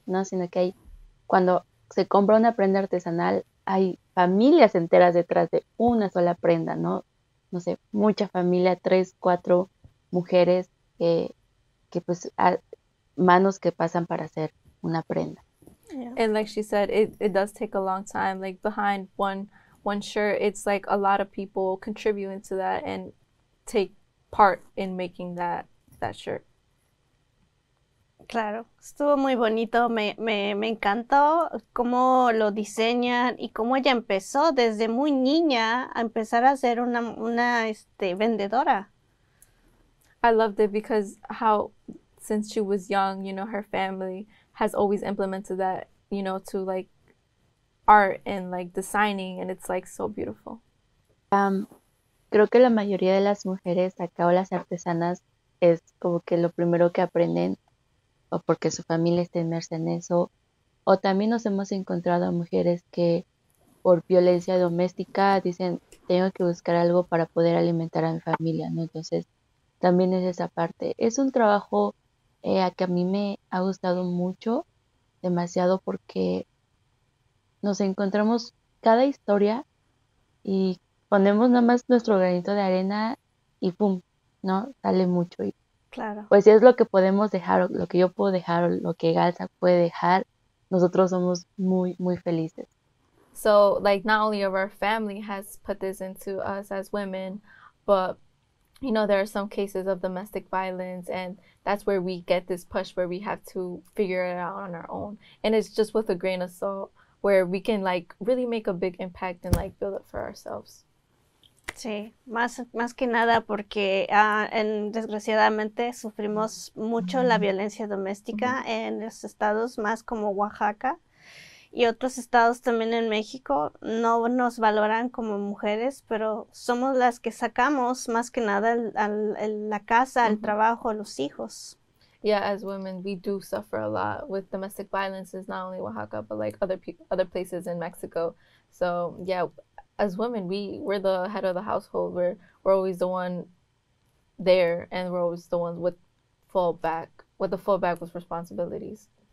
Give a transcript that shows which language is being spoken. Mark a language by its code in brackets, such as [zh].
[es] No, sino que hay, cuando se compra una prenda artesanal, hay familias enteras detrás de una sola prenda, ¿no? No sé, mucha familia, 3, 4 mujeres que pues manos que pasan para hacer una prenda. [en] Yeah. And like she said, it does take a long time. Like behind one shirt, it's like a lot of people contributing to that and take part in making that shirt. [es] Claro, estuvo muy bonito. Me encantó cómo lo diseñan y cómo ella empezó desde muy niña a empezar a ser una vendedora. [en] I loved it because how, since she was young, you know, her family has always implemented that, you know, to like art and like designing, and it's like so beautiful. [es] Creo que la mayoría de las mujeres acá o las artesanas es como que lo primero que aprenden o porque su familia está inmersa en eso, o también nos hemos encontrado a mujeres que por violencia doméstica dicen, tengo que buscar algo para poder alimentar a mi familia, ¿no? Entonces, también es esa parte. Es un trabajo a que a mí me ha gustado mucho, demasiado, porque nos encontramos cada historia y ponemos nada más nuestro granito de arena y ¡pum!, ¿no? Sale mucho. Claro. pues si es lo que podemos dejar, o lo que yo puedo dejar, o lo que Galsa puede dejar, nosotros somos muy, muy felices. [en] So, like, not only of our family has put this into us as women, but you know, there are some cases of domestic violence, and that's where we get this push where we have to figure it out on our own. And it's just with a grain of salt where we can like really make a big impact and like build it for ourselves. [es] Sí, más que nada porque desgraciadamente sufrimos mucho la violencia doméstica en los estados más como Oaxaca y otros estados también en México. No nos valoran como mujeres, pero somos las que sacamos más que nada la casa, el trabajo, los hijos. [en] Yeah, as women, we do suffer a lot with domestic violence, is not only Oaxaca, but like other places in Mexico. So yeah, as women, we're the head of the household. We're always the one there, and we're always the ones with the fallback with responsibilities.